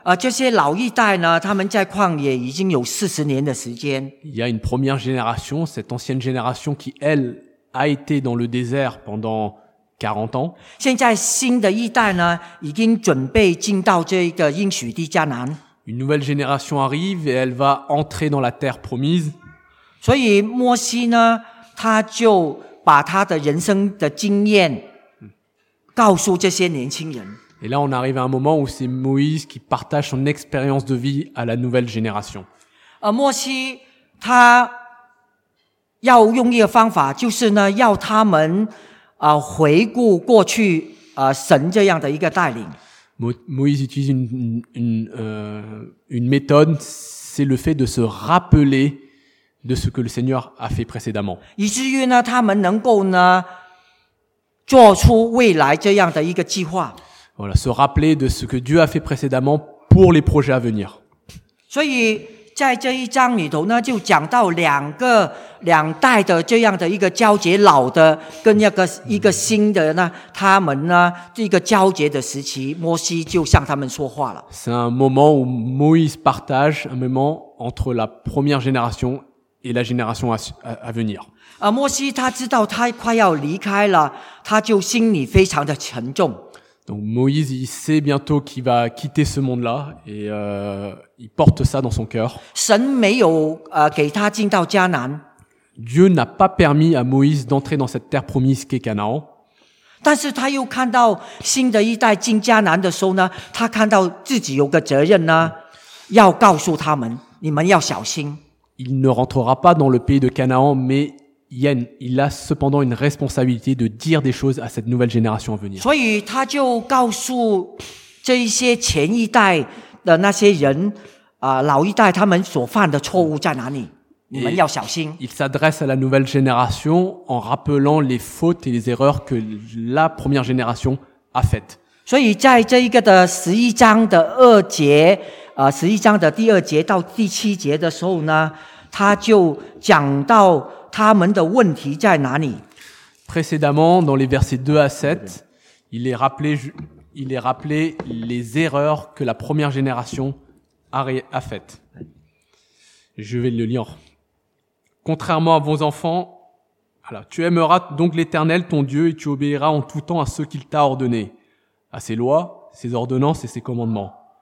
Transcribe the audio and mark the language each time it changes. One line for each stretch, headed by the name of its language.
Chinese: 这些老一代呢，他们在旷野已经有40年的时间。
French: Il y a une première génération, cette ancienne génération qui, elle, a été dans le désert pendant 40 ans.
Chinese: 现在新的一代呢，已经准备进到这个应许地迦南。
French: Une nouvelle génération arrive et elle va entrer dans la terre promise.
Chinese: 所以摩西呢，他就把他的人生的经验告诉这些年轻人。
French: Et là, on arrive à un moment où c'est Moïse qui partage son expérience de vie à la nouvelle génération.
Chinese: 摩西他要用一个方法，就是呢，要他们回顾过去神这样的一个带领。
French: Moïse utilise une méthode, c'est le fait de se rappeler de ce que le Seigneur a fait précédemment.
Chinese: 以至于呢，他们能够呢，做出未来这样的一个计划。
French: Voilà, se rappeler de ce que Dieu a fait précédemment pour les projets à venir.
Chinese: 所以在这一章里头呢，就讲到两代的这样的一个交接，老的跟一个新的呢，他们呢这个交接的时期，摩西就向他们说话了。
French: C'est un moment où Moïse partage un moment entre la première génération et la génération à venir.
Chinese: 摩西他知道他快要离开了，他就心里非常的沉重。
French: Donc Moïse, il sait bientôt qu'il va quitter ce monde-là et il porte ça dans son cœur.
Chinese: 神没有给他进到迦南。
French: Dieu n'a pas permis à Moïse d'entrer dans cette terre promise qu'est Canaan.
Chinese: 但是他又看到新的一代进迦南的时候呢，他看到自己有个责任呢，要告诉他们，你们要小心。
French: Il ne rentrera pas dans le pays de Canaan, mais il a cependant une responsabilité de dire des choses à cette nouvelle génération à venir.
Chinese: 所以他就告诉这一些前一代的那些人，老一代他们所犯的错误在哪里？你们要小心。
French: Il s'adresse à la nouvelle génération en rappelant les fautes et les erreurs que la première génération a faites.
Chinese: 所以在这一个的十一章的二节，十一章的第二节到第七节的时候呢，他就讲到他们的问题在哪里。
French: Précédemment, dans les versets 2 à 7, il est rappelé les erreurs que la première génération a faites. Je vais le lire. Contrairement à vos enfants, alors, tu aimeras donc l'Éternel, ton Dieu, et tu obéiras en tout temps à ce qu'il t'a ordonné, à ses lois, ses ordonnances et ses commandements.